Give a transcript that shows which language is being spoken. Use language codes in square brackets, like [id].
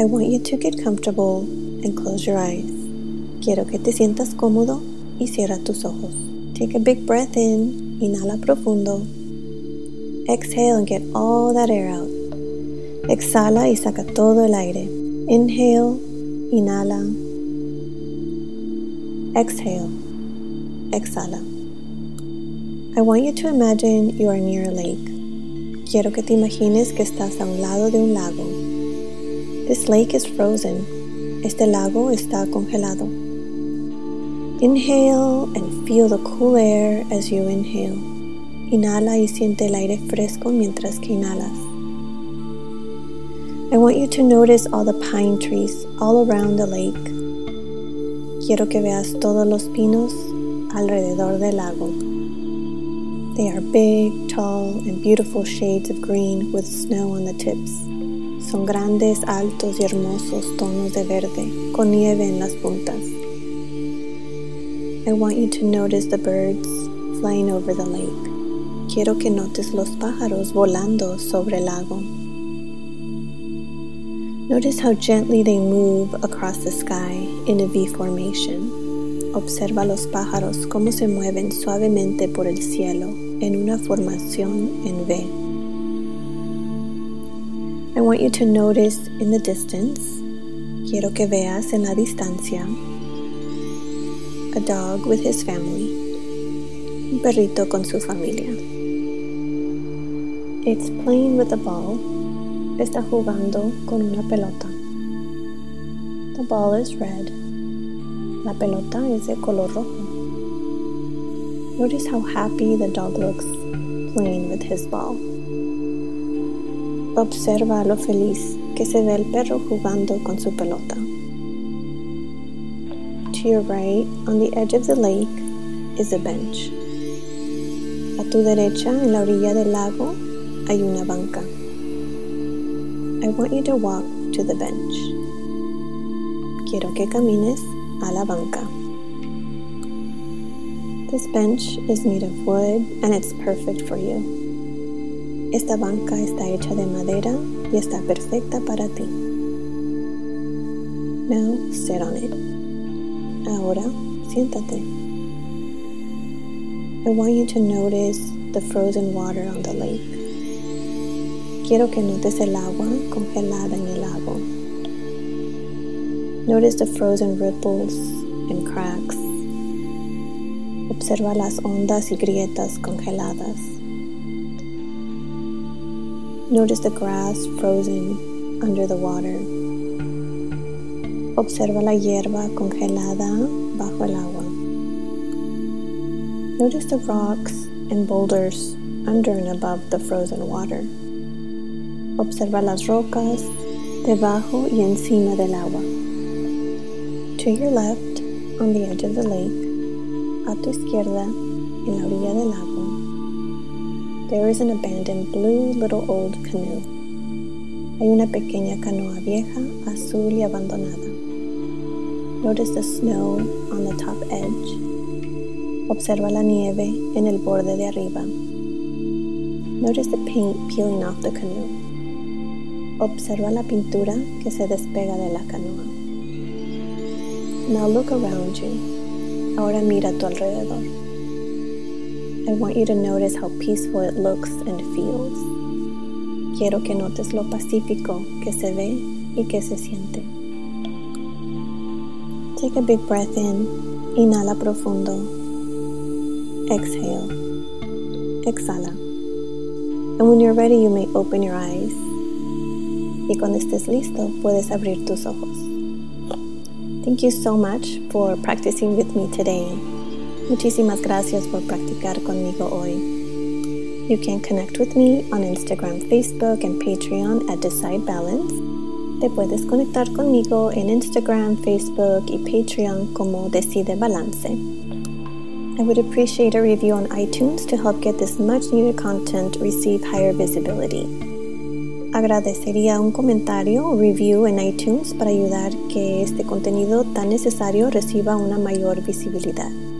[en] I want you to get comfortable and close your eyes. [es] Quiero que te sientas cómodo y cierra tus ojos. [en] Take a big breath in, [es] inhala profundo. [en] Exhale and get all that air out. [es] Exhala y saca todo el aire. [en] Inhale, [es] inhala. [en] Exhale, [es] exhala. [en] I want you to imagine you are near a lake. [es] Quiero que te imagines que estás a un lado de un lago. [en] This lake is frozen. [es] Este lago está congelado. [en] Inhale and feel the cool air as you inhale. [es] Inhala y siente el aire fresco mientras que inhalas. [en] I want you to notice all the pine trees all around the lake. [es] Quiero que veas todos los pinos alrededor del lago. [en] They are big, tall, and beautiful shades of green with snow on the tips. [es] Son grandes, altos, y hermosos tonos de verde con nieve en las puntas. [en] I want you to notice the birds flying over the lake. [es] Quiero que notes los pájaros volando sobre el lago. [en] Notice how gently they move across the sky in a V formation. [es] Observa los pájaros cómo se mueven suavemente por el cielo en una formación en V. [en] I want you to notice in the distance, [es] quiero que veas en la distancia, [en] a dog with his family, [es] un perrito con su familia. [en] It's playing with a ball, [es] está jugando con una pelota. [en] The ball is red, [es] la pelota es de color rojo. [en] Notice how happy the dog looks playing with his ball. [es] Observa lo feliz que se ve el perro jugando con su pelota. [en] To your right, on the edge of the lake, is a bench. [es] A tu derecha, en la orilla del lago, hay una banca. [en] I want you to walk to the bench. [es] Quiero que camines a la banca. [en] This bench is made of wood and it's perfect for you. [es] Esta banca está hecha de madera y está perfecta para ti. [en] Now sit on it. [es] Ahora siéntate. [en] I want you to notice the frozen water on the lake. [es] Quiero que notes el agua congelada en el lago. [en] Notice the frozen ripples and cracks. [es] Observa las ondas y grietas congeladas. [en] Notice the grass frozen under the water. [es] Observa la hierba congelada bajo el agua. [en] Notice the rocks and boulders under and above the frozen water. [es] Observa las rocas debajo y encima del agua. [en] To your left, on the edge of the lake, [es] a tu izquierda, en la orilla del lago, [en] there is an abandoned blue little old canoe. [es] Hay una pequeña canoa vieja, azul y abandonada. [en] Notice the snow on the top edge. [es] Observa la nieve en el borde de arriba. [en] Notice the paint peeling off the canoe. [es] Observa la pintura que se despega de la canoa. [en] Now look around you. [es] Ahora mira a tu alrededor. [en] I want you to notice how peaceful it looks and feels. [es] Quiero que notes lo pacífico que se ve y que se siente. [en] Take a big breath in. [es] Inhala profundo. [en] Exhale. [es] Exhala. [en] And when you're ready, you may open your eyes. [es] Y cuando estés listo, puedes abrir tus ojos. [en] Thank you so much for practicing with me today. [es] Muchísimas gracias por practicar conmigo hoy. [en] You can connect with me on Instagram, Facebook, and Patreon at Decide Balance. [es] Te puedes conectar conmigo en Instagram, Facebook, y Patreon como Decide Balance. [en] I would appreciate a review on iTunes to help get this much-needed content receive higher visibility. [es] Agradecería un comentario o review en iTunes para ayudar que este contenido tan necesario reciba una mayor visibilidad.